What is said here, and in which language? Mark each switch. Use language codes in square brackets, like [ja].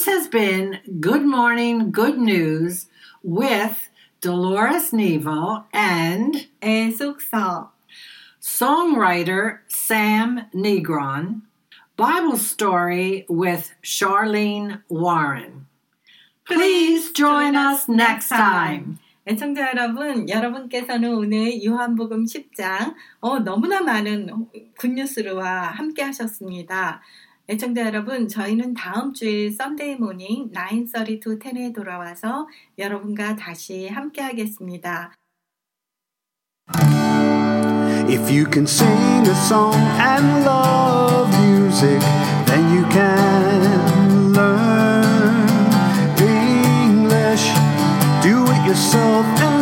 [en] Been Good Morning Good News with Dolores Nevo and Esuksa, songwriter Sam Negron, Bible story with Charlene Warren. Please join us next time. [ko] 애청자 여러분, 여러분께서는 오늘 요한복음 10장 너무나 많은 굿뉴스와 함께 하셨습니다. 애청자 여러분, 저희는 다음 주일 썬데이 모닝 9:30 to 10에 돌아와서 여러분과 다시 함께 하겠습니다. [en] If you can sing a song and love music, then you can learn English. Do it yourself.